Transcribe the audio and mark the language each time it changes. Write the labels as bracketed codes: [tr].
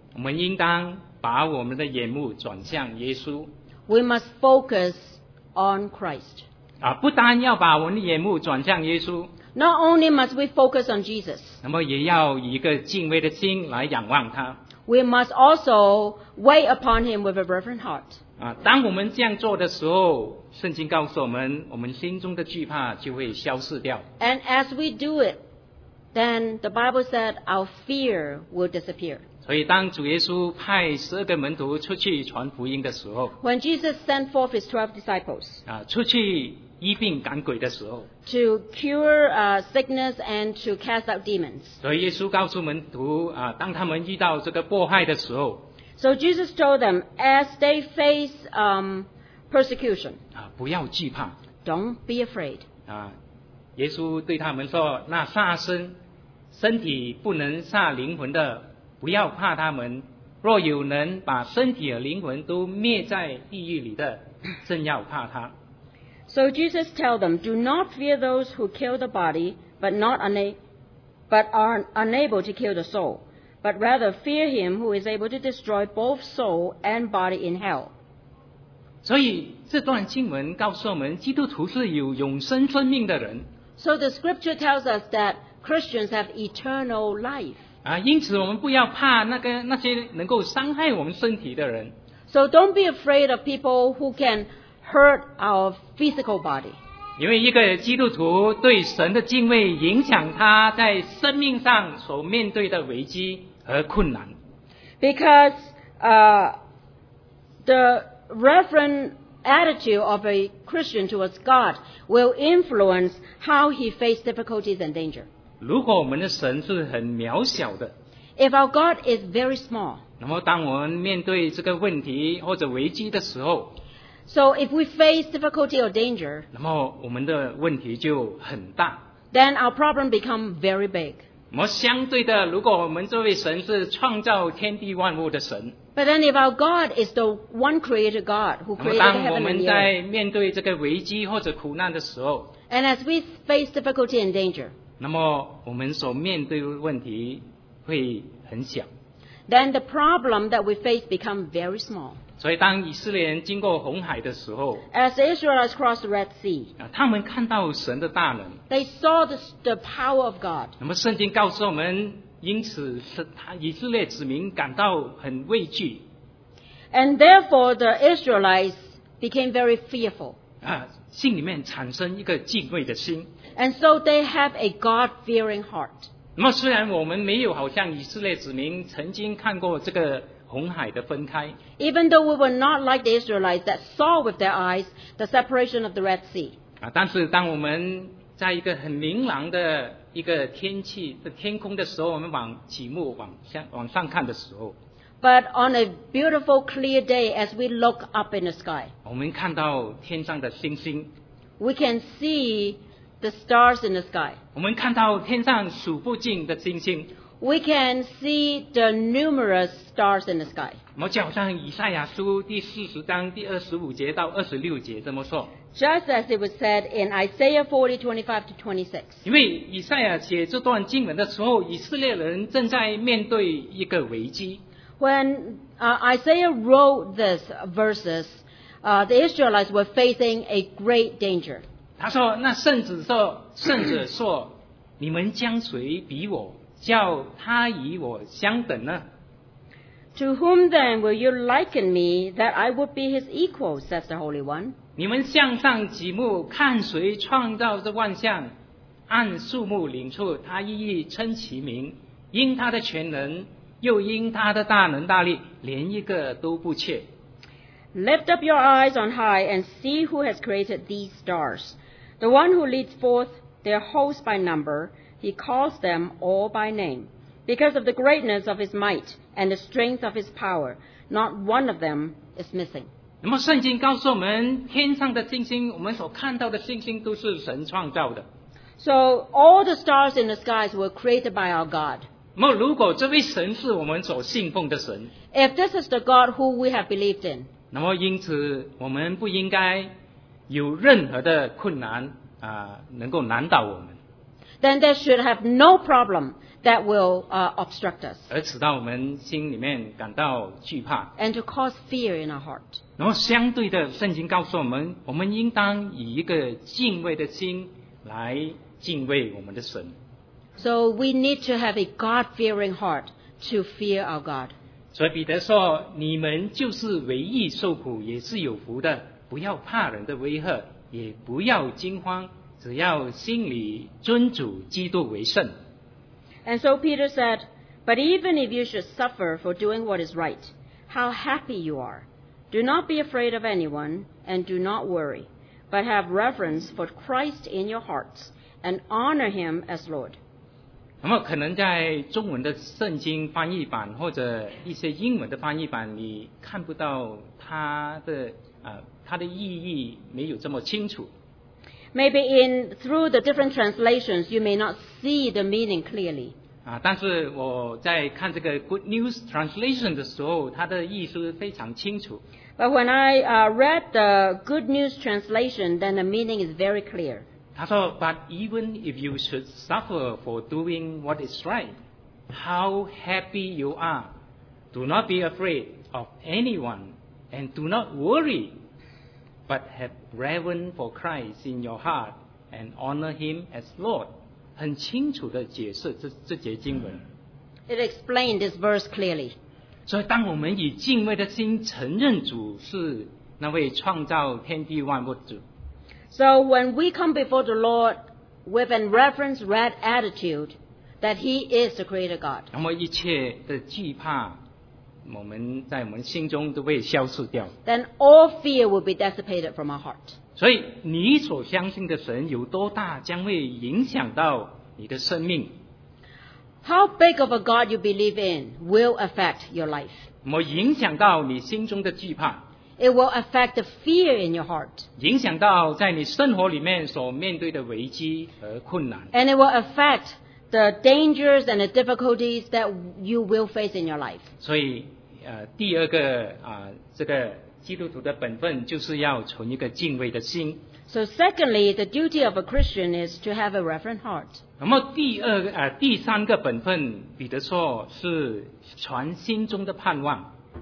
[zh] 我们应当把我们的眼目转向耶稣。 [en] We must focus on Christ. [zh] 啊，不单要把我们的眼目转向耶稣。 [en] Not only must we focus on Jesus, [zh] 那么也要以一个敬畏的心来仰望他。 [en] We must also wait upon Him with a reverent heart. [zh] 啊，当我们这样做的时候，圣经告诉我们，我们心中的惧怕就会消失掉。 [en] And as we do it, then the Bible said our fear will disappear. [zh] 所以当主耶稣派十二个门徒出去传福音的时候 [en] ，When Jesus sent forth His 12 disciples, [zh] 啊，出去。医病赶鬼的时候 [en] ，to cure sickness and to cast out demons。 [zh] 所以耶稣告诉门徒啊，当他们遇到这个迫害的时候 [en] ，So Jesus told them as they face persecution， [zh] 啊，不要惧怕 [en] ，Don't be afraid。 [zh] 啊，耶稣对他们说，那杀生身体不能杀灵魂的，不要怕他们。若有能把身体和灵魂都灭在地狱里的，正要怕他。 [en] So Jesus tell them, do not fear those who kill the body, but are unable to kill the soul, but rather fear him who is able to destroy both soul and body in hell. [zh] 所以这段经文告诉我们，基督徒是有永生生命的人。 [en] So the scripture tells us that Christians have eternal life. [zh] 啊，因此我们不要怕那些能够伤害我们身体的人。 [en] So don't be afraid of people who can hurt our physical body. [zh] 因为一个基督徒对神的敬畏影响他在生命上所面对的危机和困难。 [en] Because the reverent attitude of a Christian towards God will influence how he faces difficulties and danger. [zh] 如果我们的神是很渺小的 [en] If our God is very small, [zh] 那么当我们面对这个问题或者危机的时候 [en] So if we face difficulty or danger, [zh] 那么我们的问题就很大。 [en] Then our problem become very big. [zh] 那么相对的，如果我们这位神是创造天地万物的神 [en] ，But then if our God is the one Creator God who created heaven and earth, [zh] 那么当我们在面对这个危机或者苦难的时候 [en] ，And as we face difficulty and danger, [zh] 那么我们所面对的问题会很小。 [en] Then the problem that we face become very small. [zh] 所以当以色列人经过红海的时候 [en] As Israelites crossed the Red Sea, [zh] 他们看到神的大能 [en] They saw the power of God. [zh] 那么圣经告诉我们因此以色列子民感到很畏惧 [en] And therefore the Israelites became very fearful. [zh] 心里面产生一个敬畏的心 [en] And so they have a God-fearing heart. [zh] 那么虽然我们没有好像以色列子民曾经看过这个红海的分开 [en] Even though we were not like the Israelites that saw with their eyes the separation of the Red Sea. [zh] 但是当我们在一个很明朗的一个天气的天空的时候，我们往极目往上看的时候 [en] ，But on a beautiful clear day as we look up in the sky, [zh] 我们看到天上的星星 [en] ，We can see the stars in the sky. [zh] 我们看到天上数不尽的星星。 [en] We can see the numerous stars in the sky. [zh] 就好像以赛亚书第四十章第二十五节到二十六节这么说。 [en] Just as it was said in Isaiah 40:25-26. [zh] 因为以赛亚写这段经文的时候，以色列人正在面对一个危机。 [en] When Isaiah wrote this verses, the Israelites were facing a great danger. [zh] 他说：“那圣者说，圣者说，你们将谁比我？” 叫他与我相等呢 [en] To whom then will you liken me that I would be his equal, says the Holy One? [zh] 你们向上举目看谁创造这万象按数目领处他一一称其名因他的全能又因他的大能大力连一个都不缺 [en] Lift up your eyes on high and see who has created these stars. The one who leads forth their host by number,He calls them all by name. Because of the greatness of his might and the strength of his power, not one of them is missing. [zh] 那么圣经告诉我们天上的星星我们所看到的星星都是神创造的。 [en] So all the stars in the skies were created by our God. [zh] 那如果这位神是我们所信奉的神， [en] If this is the God who we have believed in, [zh] 那么因此我们不应该有任何的困难啊，能够难倒我们。 [en] Then there should have no problem that will obstruct us. [zh] 而使到我们心里面感到惧怕。 [en] And to cause fear in our heart. [zh] 那么相对的，圣经告诉我们，我们应当以一个敬畏的心来敬畏我们的神。 [en] So we need to have a God-fearing heart to fear our God. [zh] 所以彼得说，你们就是为义受苦，也是有福的。不要怕人的威吓，也不要惊慌，只要心里尊主基督为圣。 [en] And so Peter said, But even if you should suffer for doing what is right, how happy you are. Do not be afraid of anyone, and do not worry, but have reverence for Christ in your hearts, and honor him as Lord. [zh] 那么可能在中文的圣经翻译版，或者一些英文的翻译版，你看不到他的它的意义没有这么清楚。 [en] Maybe in through the different translations, you may not see the meaning clearly. [zh] 啊，但是我在看这个 Good News Translation 的时候，它的意思非常清楚。 [en] But when I read the Good News Translation, then the meaning is very clear. [zh] 他说 [en] ，But even if you should suffer for doing what is right, how happy you are! Do not be afraid of anyone, and do not worry. But have reverence for Christ in your heart and honor him as Lord. [zh] 很清楚地解释 这节经文。 [en] It explained this verse clearly. [zh] 所以当我们以敬畏的心承认主是那位创造天地万物的主。 [en] So when we come before the Lord with a reverence red attitude that he is the creator God. [zh] 那么一切的惧怕我们在我们心中都会消失掉。 [en] Then all fear will be dissipated from our heart. [zh] 所以你所相信的神有多大，将会影响到你的生命。 [en] How big of a God you believe in will affect your life. [zh] 我影响到你心中的惧怕。 [en] It will affect the fear in your heart. [zh] 影响到在你生活里面所面对的危机和困难。 [en] And it will affect. The dangers and the difficulties that you will face in your life. [zh] 所以，第二个这个基督徒的本分就是要存一个敬畏的心。 [en] So secondly, the duty of a Christian is to have a reverent heart. [zh] 那么第三个本分，彼得说是传心中的盼望。